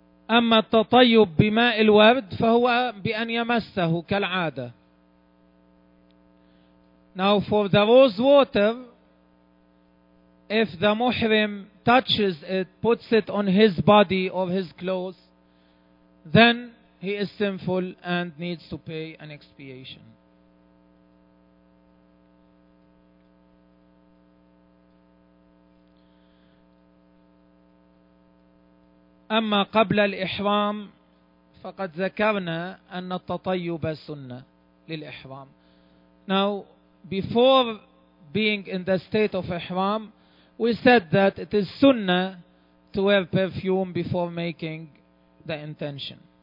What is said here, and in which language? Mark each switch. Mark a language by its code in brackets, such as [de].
[ar] أما التطيب بماء الورد فهو بأن يمسه كالعادة. [en] Now for the rose water, if the muhrim touches it, puts it on his body or his clothes, then He is sinful and needs to pay an expiation. [ar] أما قبل الإحرام فقد ذكرنا أن التطيب سنة للإحرام. [en] Now, before being in the state of Ihram, we said that it is sunnah to wear perfume before making the intention.